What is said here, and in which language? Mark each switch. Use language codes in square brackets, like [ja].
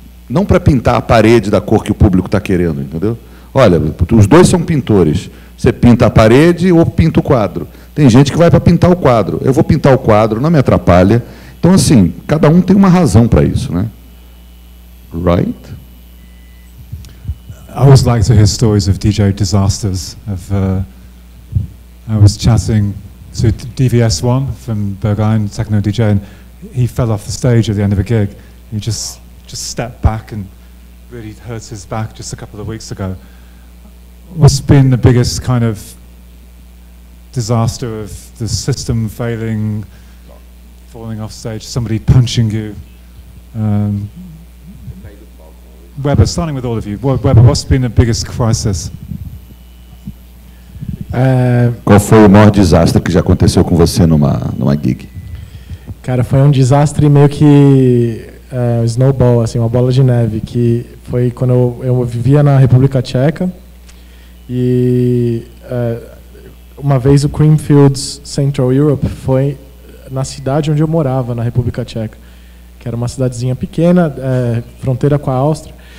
[pt] Não para pintar a parede da cor que o público está querendo, entendeu? Olha, os dois são pintores. Você pinta a parede ou pinta o quadro. Tem gente que vai para pintar o quadro. Eu vou pintar o quadro, não me atrapalha. Então, assim, cada um tem uma razão para isso, né? [en] Right? I always like to hear stories of DJ disasters. Of, I was chatting to DVS1 from Bergheim, techno DJ, and he fell off the stage at the end of a gig. He just stepped back and really hurt his back just a couple of weeks ago. What's been the biggest kind of disaster of the system failing, falling off stage, somebody punching you? Weber, starting with all of you, Weber, what's been the biggest crisis? [pt] Qual foi o maior desastre que já aconteceu com você numa gig? Cara, foi um desastre meio que snowball, assim, uma bola de neve, que foi quando eu vivia na República Tcheca, e uma vez o Creamfields Central Europe foi na cidade onde eu morava, na República Tcheca, que era uma cidadezinha pequena, fronteira com a Áustria.